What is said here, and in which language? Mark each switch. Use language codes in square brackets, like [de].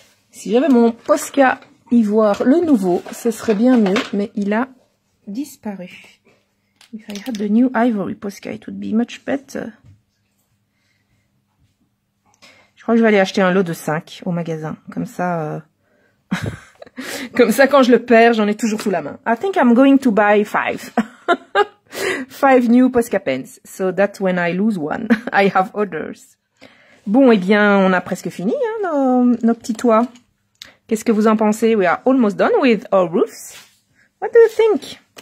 [fr] Si j'avais mon Posca ivoire, le nouveau, ce serait bien mieux, mais il a disparu. [en] If I had the new ivory Posca, it would be much better. [fr] Je crois que je vais aller acheter un lot de 5 au magasin. Comme ça, comme ça, quand je le perds, j'en ai toujours sous la main. [en] I think I'm going to buy 5. 5 new Posca pens, so that when I lose one, I have others. [fr] Bon, eh bien, on a presque fini, hein, nos petits toits. Qu'est-ce que vous en pensez? [en] We are almost done with our roofs. What do you think?